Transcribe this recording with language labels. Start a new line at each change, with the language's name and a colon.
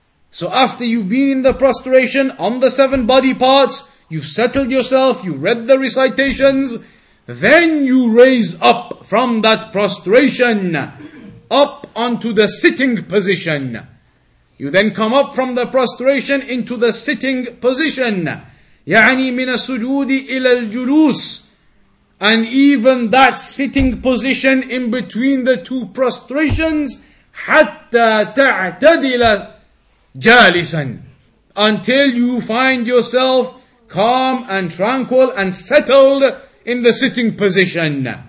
English: So after you've been in the prostration on the seven body parts, you've settled yourself, you read the recitations, then you raise up from that prostration, up onto the sitting position. You then come up from the prostration into the sitting position.
Arabic: يعني من السجود إلى الجلوس.
English: And even that sitting position in between the two prostrations,
Arabic: حَتَّى تَعْتَدِلَ جَالِسًا.
English: Until you find yourself calm and tranquil and settled in the sitting position.